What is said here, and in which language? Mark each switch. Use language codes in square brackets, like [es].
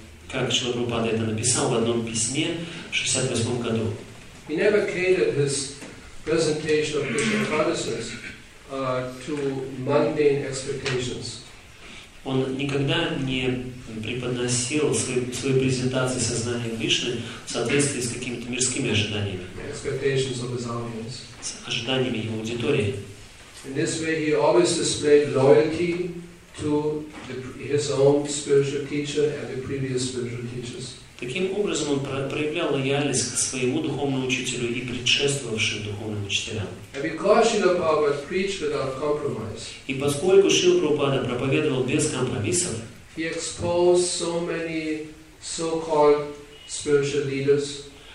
[ru] Как Шрила Прабхупада это написал в одном письме в 68 году. [en] He never catered his presentation of Krishna consciousness to mundane expectations. [ru] Он никогда не преподносил свою презентацию сознания Кришны в соответствии с какими-то мирскими ожиданиями. [en] Expectations of his audience. [ru] С ожиданиями его аудитории. [en] In this way, he always displayed loyalty to his own spiritual teacher and the previous spiritual teachers. [ru] Таким образом, он проявлял лояльность к своему духовному учителю и предшествовавшим духовным учителям. [en] And because Srila Prabhupada preached without compromise. [ru] И поскольку Шрила Прабхупада проповедовал без компромиссов. [en] He exposed so many so-called spiritual leaders.